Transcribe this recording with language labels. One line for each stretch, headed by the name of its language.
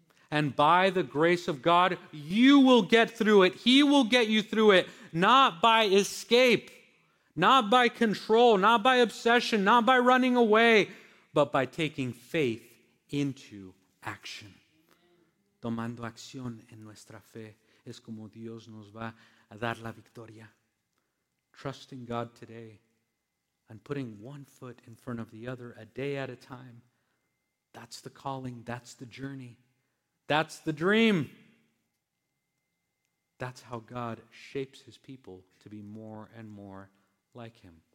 English: And by the grace of God, you will get through it. He will get you through it, not by escape, not by control, not by obsession, not by running away, but by taking faith into action.
Spanish: Tomando acción en nuestra fe es como Dios nos va a dar la victoria.
English: Trusting God today and putting one foot in front of the other a day at a time. That's the calling. That's the journey. That's the dream. That's how God shapes his people to be more and more like him.